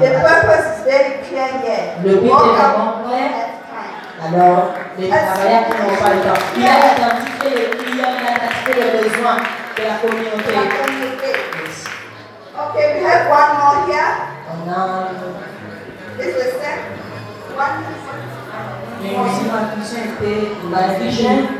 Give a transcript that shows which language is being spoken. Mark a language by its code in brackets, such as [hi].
[en] The purpose is very clear here. [fr] Le but est vraiment clair. Alors, les travailleurs qui n'ont pas le temps. Il a identifié les clients, il a identifié les besoins de la communauté. La communauté. [en] Yes. Okay, we have one more here. [fr] On a... [en] This is the same. One. [fr] Mais aussi, ma vision était la vision